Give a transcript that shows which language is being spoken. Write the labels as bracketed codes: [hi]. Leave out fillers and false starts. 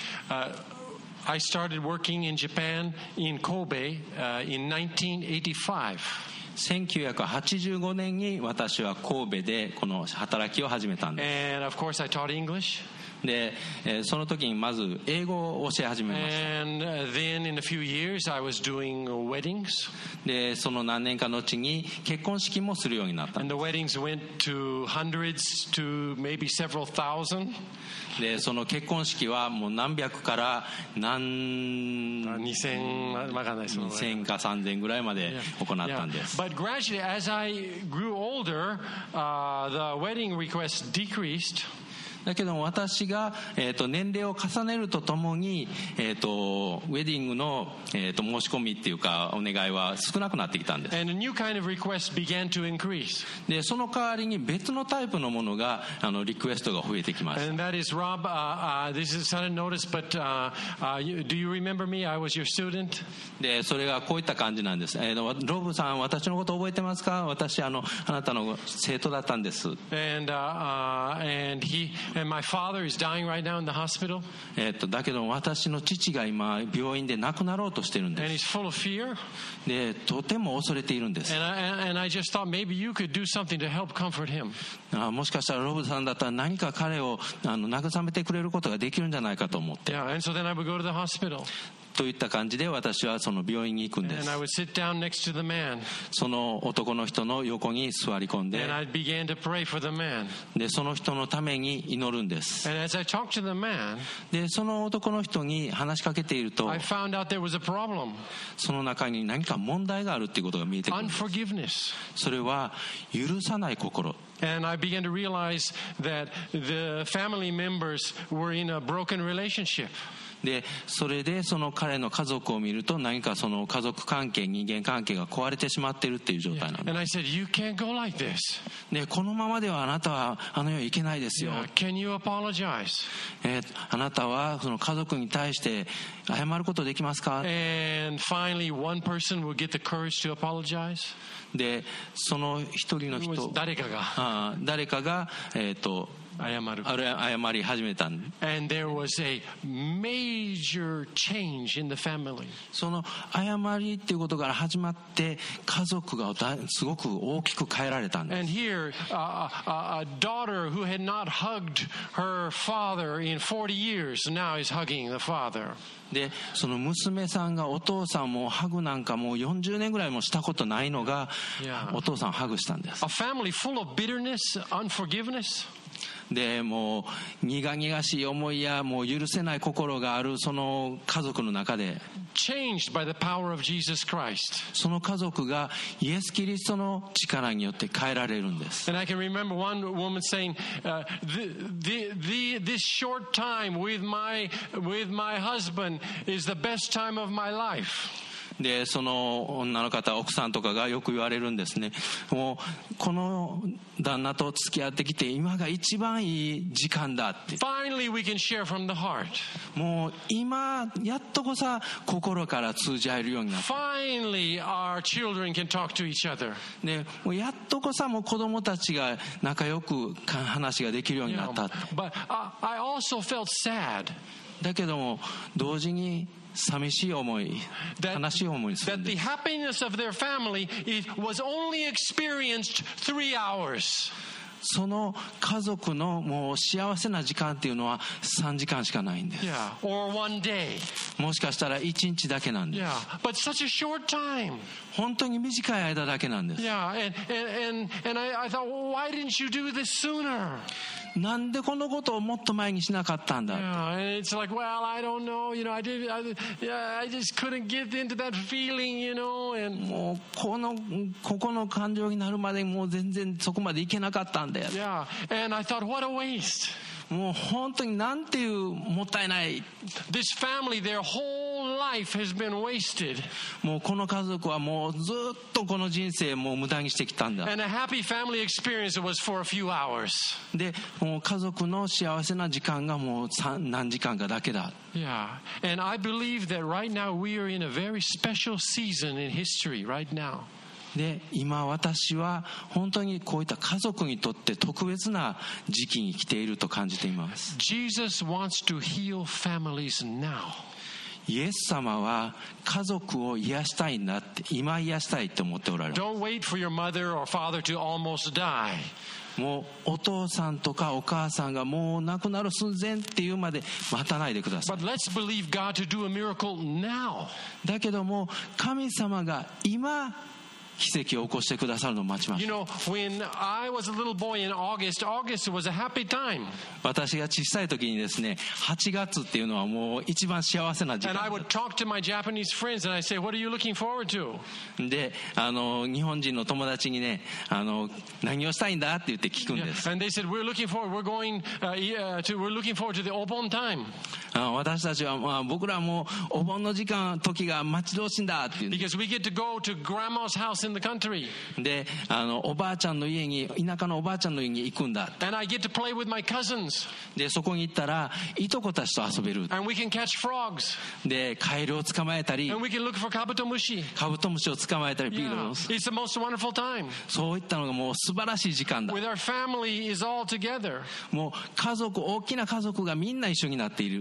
[en] I started working in Japan in Kobe in 1985. [ja] 1985年に私は神戸でこの働きを始めたんです。 [en] And of course I taught English. [ja] で、その時にまず英語を教え始めました。 [en] And then in a few years I was doing weddings. [ja] で、その何年か後に結婚式もするようになったんです。 [en] And the weddings went to hundreds to maybe several thousand. [ja] でその結婚式はもう何百から何 2000わかんないですね、2000か3000ぐらいまで行ったんです。 [en] yeah. Yeah. But gradually as I grew older, the wedding request decreased. [ja] だけど私が、年齢を重ねるとともに、ウェディングの、申し込みっていうかお願いは少なくなってきたんです。 [en] And a new kind of request began to increase. [ja] でその代わりに別のタイプのものがあのリクエストが増えてきました。 [en] And that is Rob, this is a sudden notice, but do you remember me? I was your student. [ja] でそれがこういった感じなんです。ロブさん、私のこと覚えてますか？私あなたの生徒だったんです。 [en] And, and he And my father is dying right now in the hospital. [ja] だけど私の父が今病院で亡くなろうとしているんです。 [en] And he's full of fear. [ja] で、とても恐れているんです。 [en] And I just thought maybe you could do something to help comfort him. [ja] もしかしたらロブさんだったら何か彼を慰めてくれることができるんじゃないかと思って。 [en] Yeah, and so then I would go to the hospital. [ja] といった感じで私はその病院に行くんです。 [en] And I would sit down next to the man. [ja] その男の人の横に座り込んで、 [en] And I began to pray for the man. [ja] でその人のために祈るんです。 [en] And as I talked to the man, [ja] でその男の人に話しかけていると、 [en] I found out there was a problem. [ja] その中に何か問題があるということが見えてくるんです。 [en] Unforgiveness. [ja] それは許さない心。 [en] And I began to realize that the family members were in a broken relationship. [ja] で、それでその彼の家族を見ると何かその家族関係、人間関係が壊れてしまっているっていう状態なんです。 [en] And I said, you can't go like this. [ja] で、このままではあなたはあの世行けないですよ。 [en] Yeah, can you apologize? [ja] あなたはその家族に対して謝ることできますか? [en] And finally, one person will get the courage to apologize. [ja] でその一人の人、誰かが、誰かが、謝る、謝り始めた。 [en] And there was a major change in the family. [ja] その謝りっていうことから始まって家族がすごく大きく変えられたんです。 [en] And here, a daughter who had not hugged her father in 40 years now is hugging the father. [ja] でその娘さんがお父さんもハグなんかもう40年ぐらいもしたことないのがお父さんをハグしたんです。 [en] A family full of bitterness, unforgiveness. [ja] でもう苦々しい思いやもう許せない心があるその家族の中で、 [en] Changed by the power of Jesus Christ. [ja] その家族がイエス・キリストの力によって変えられるんです。 [en] And I can remember one woman saying, this short time with my husband is the best time of my life. [ja] でその女の方、奥さんとかがよく言われるんですね。もうこの旦那と付き合ってきて今が一番いい時間だって。 [en] Finally, we can share from the heart. [ja] もう今やっとこさ心から通じ合えるようになった。 [en] Finally, our children can talk to each other. [ja] でもうやっとこさもう子供たちが仲良く話ができるようになったって。 [en] But I also felt sad. [ja] だけども同時に寂しい思い、悲しい思いするんです。 [en] That the happiness of their family was only experienced 3 hours. [ja] その家族のもう幸せな時間っていうのは3時間しかないんです。 [en] Yeah, or one day. [ja] もしかしたら1日だけなんです。 [en] Yeah, but such a short time. [ja] 本当に短い間だけなんです。 [en] Yeah, and I thought, well, why didn't you do this sooner? [ja] なんでこのことをもっと前にしなかったんだ。 [en] Yeah, it's like, well, I don't know, you know, I just couldn't get into that feeling, you know, and [ja] もうこのここの感情になるまでもう全然そこまでいけなかったんだよ。 [en] Yeah, and I thought, what a waste. [ja] もう本当になんていうもったいない。 [en] This family, their whole life has been wasted. [ja] もうこの家族はもうずっとこの人生もう無駄にしてきたんだ。 [en] And a happy family experience was for a few hours. [ja] でもう家族の幸せな時間がもう何時間かだけだ。 [en] Yeah, and I believe that right now we are in a very special season in history right now. [ja] で今私は本当にこういった家族にとって特別な時期に来ていると感じています。 [en] Jesus wants to heal families now. [ja] イエス様は家族を癒したいなって今癒したいって思っておられる。 [en] Don't wait for your mother or father to almost die. [ja] もうお父さんとかお母さんがもう亡くなる寸前っていうまで待たないでください。 [en] But let's believe God to do a miracle now. [ja] だけども神様が今奇跡を起こしてくださるのを待ちます。 [en] You know, when I was a little boy in August, August was a happy time. [ja] 私が小さい時にですね、8月っていうのはもう一番幸せな時期。 [en] And I would talk to my Japanese friends and I say, "What are you looking forward to?" [ja] で、日本人の友達にね、何をしたいんだって言って聞くんです。 [en] Yeah. And they said, "We're looking forward. We're going to. We're looking forward to the Obon time." [ja] 私たちは、僕らもお盆の時間時が待ち遠しいんだって言う。 [en] Because we get to go to grandma's house. In the country. [ja] で、おばあちゃんの家に、田舎のおばあちゃんの家に行くんだ。 [en] And I get to play with my cousins. [ja] で、そこに行ったら、いとこたちと遊べる。 [en] And we can catch frogs. [ja] で、カエルを捕まえたり。 [en] And we can look for カブトムシ。 [ja] カブトムシを捕まえたり、 [en] yeah. It's the most wonderful time. [ja] そういったのがもう素晴らしい時間だ。 [en] With our family is all together. [ja] もう家族、大きな家族がみんな一緒になっている。